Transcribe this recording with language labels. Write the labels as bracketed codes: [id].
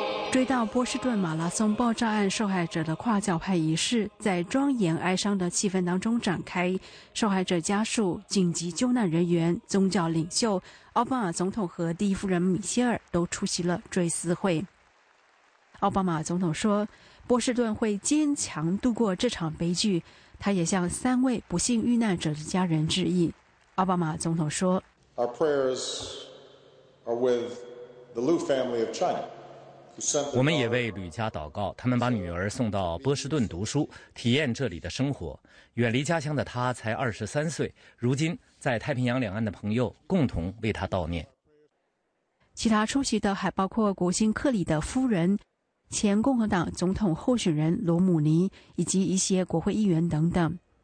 [zh] 追悼波士顿马拉松爆炸案受害者的跨教派仪式在庄严哀伤的气氛当中展开，受害者家属、紧急救难人员、宗教领袖、奥巴马总统和第一夫人米歇尔都出席了追思会。奥巴马总统说，波士顿会坚强度过这场悲剧，他也向三位不幸遇难者的家人致意。奥巴马总统说， [en] Our prayers are with the Liu family of China。 [zh] 我们也为吕家祷告，他们把女儿送到波士顿读书，体验这里的生活。远离家乡的她才23岁，如今在太平洋两岸的朋友共同为她悼念。其他出席的还包括国新克里的夫人、前共和党总统候选人罗姆尼以及一些国会议员等等。